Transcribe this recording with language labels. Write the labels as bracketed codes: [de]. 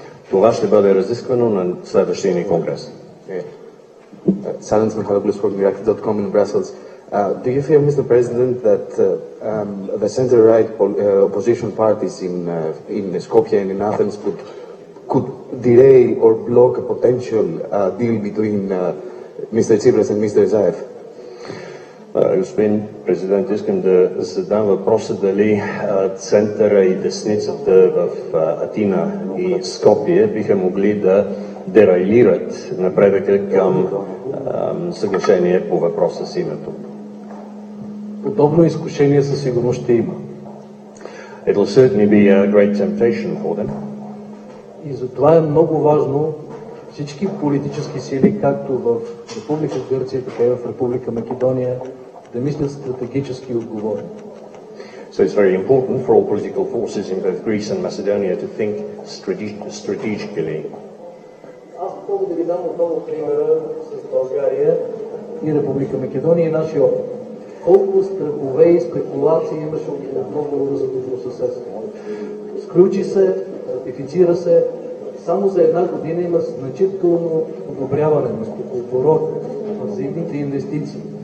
[bg] Това ще бъде разисквано на следващия ни конгрес. [en] Silence Michalopoulos from Reactor.com in Brussels. Do you feel, Mr. President, that the center-right opposition parties in Skopje and in Athens could delay or block a potential deal between Mr. Tsipras and Mr. Zaev? [bg] Господин президент, искам да задам въпроса дали центъра и десницата в Атина и Скопие биха могли да дерайлират напредъка към съглашение по въпроса с името. Подобно изкушение със сигурност ще има. [en] It will certainly be a great temptation for them. [bg] И затова е много важно всички политически сили, както в Република Гърция, така и в Република Македония, да мислят стратегически отговорно. [en] So it's very important for all political forces in both Greece and Macedonia to think strategically. [bg] Аз мога да ви дам отново примера с България и Република Македония и нашия опит. Колко страхове и спекулации имаше от много разъдобно съседство. Сключи се, ратифицира се, само за една година има значително одобряване на стокооборот, на взаимните инвестиции.